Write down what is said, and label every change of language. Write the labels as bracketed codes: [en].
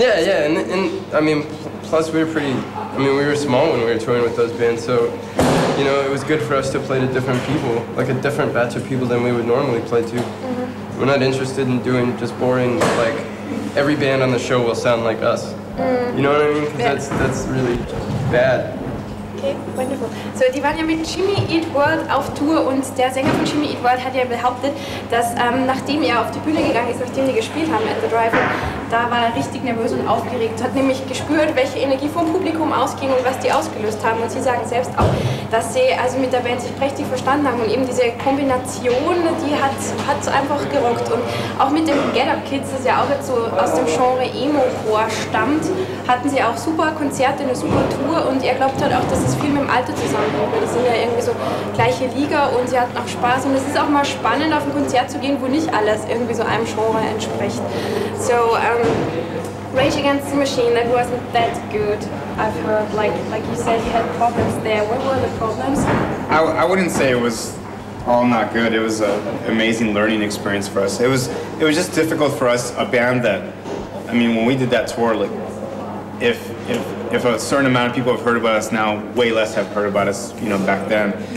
[en] Yeah, and I mean, plus we were pretty. I mean, we were small when we were touring with those bands, so. You know, it was good for us to play to different people, like a different batch of people than we would normally play to. Mm-hmm. We're not interested in doing just boring, like, every band on the show will sound like us. Mm. You know what I mean? Because that's really bad. Okay, wonderful. [de] So, die waren ja mit Jimmy Eat World auf Tour und der Sänger von Jimmy Eat World hat ja behauptet, dass nachdem er auf die Bühne gegangen ist, nachdem die gespielt haben at the Drive-In, da war er richtig nervös und aufgeregt, hat nämlich gespürt, welche Energie vom Publikum ausging und was die ausgelöst haben. Und sie sagen selbst auch, dass sie also mit der Band sich prächtig verstanden haben und eben diese Kombination, die hat einfach gerockt. Und auch mit dem Get Up Kids, das ja auch jetzt so aus dem Genre Emo-Core stammt, hatten sie auch super Konzerte, eine super Tour und er glaubt halt auch, dass es viel mit dem Alter zusammenhängt, weil das sind ja irgendwie so gleiche Liga und sie hatten auch Spaß und es ist auch mal spannend, auf ein Konzert zu gehen, wo nicht alles irgendwie so einem Genre entspricht. [en] So, Rage Against the Machine, that wasn't that good. I've heard, like you said, you had problems there. What were the problems? I wouldn't say it was all not good. It was an amazing learning experience for us. It was just difficult for us, a band that, I mean, when we did that tour, like, if a certain amount of people have heard about us now, way less have heard about us, you know, back then.